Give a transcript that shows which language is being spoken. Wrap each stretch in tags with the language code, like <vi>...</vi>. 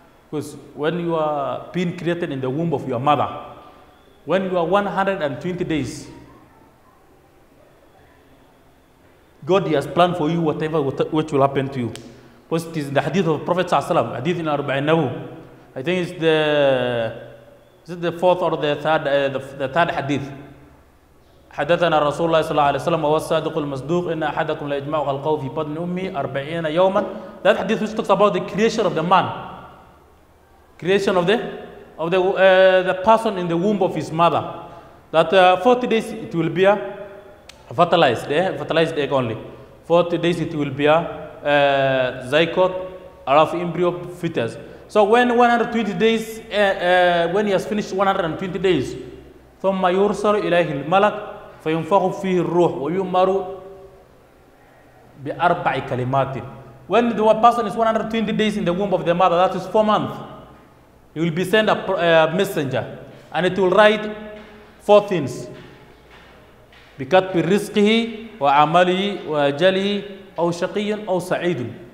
<en>Because when you are being created in the womb of your mother, when you are 120 days, God has planned for you whatever which will happen to you. Because it is in the hadith of the Prophet Sallallahu Alaihi Wasallam, hadith in Arba'in Nawu. I think it's the, is it the fourth or the third hadith.</en> <ar>حدثنا رسول الله صلى الله عليه وسلم وهو الصادق المصدوق إن أحدكم لا يجمع خلقه في بطن أمي 40 يوما.</ar> <en>That hadith which talks about the creation of the man. Creation of the person in the womb of his mother. That 40 days it will be fertilized. Fertilized egg only. 40 days it will be zygote, or of embryo fetus. So when 120 days, when he has finished 120 days,</en> <ar>ثم يرسل إليه الملك فينفخ فيه الروح ويؤمر بأربع كلمات.</ar> <en>When the person is 120 days in the womb of the mother, that is 4 months, he will be sent a messenger, and it will write 4 things.</en> <ar>بكتب رزقه وعمله وأجله أو شقي أو سعيد.</ar>